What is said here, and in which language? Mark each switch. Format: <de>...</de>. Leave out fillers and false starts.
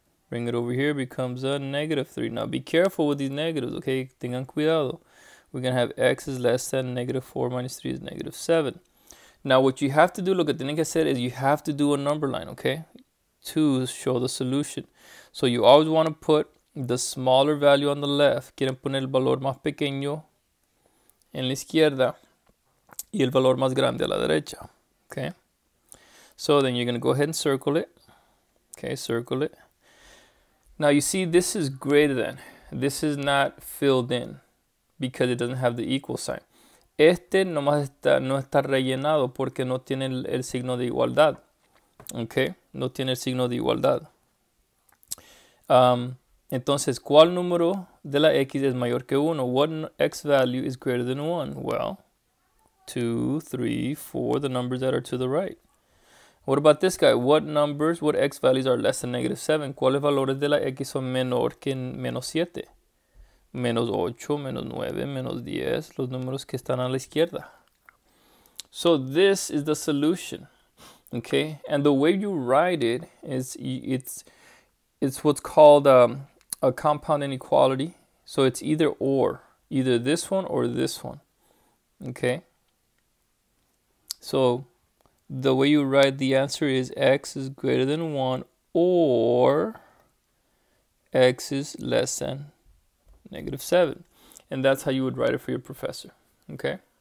<en>Bring it over here, becomes a negative 3. Now be careful with these negatives, okay?</en> <es>Tengan cuidado.</es> <en>We're going to have x is less than negative 4 minus 3 is negative 7. Now, what you have to do, look at the thing I said, is you have to do a number line, okay? To show the solution. So you always want to put the smaller value on the left.</en> <es>Quieren poner el valor más pequeño en la izquierda y el valor más grande a la derecha, okay?</es> <en>So then you're going to go ahead and circle it, okay? Circle it. Now, you see, this is greater than. This is not filled in. Because it doesn't have the equal sign.</en> <es>Este nomás está, no está rellenado porque no tiene el signo de igualdad. Okay? No tiene el signo de igualdad. Entonces, ¿cuál número de la X es mayor que 1?</es> <en>What X value is greater than 1? Well, 2, 3, 4, the numbers that are to the right. What about this guy? What numbers, what X values are less than negative 7?</en> <es>¿Cuáles valores de la X son menor que menos 7? Menos 8, menos 9, menos 10, los números que están a la izquierda.</es> <en>So this is the solution, okay? And the way you write it is it's what's called a compound inequality. So it's either or, either this one or this one, okay? So the way you write the answer is x is greater than 1 or x is less than negative 7, and that's how you would write it for your professor, okay?</en>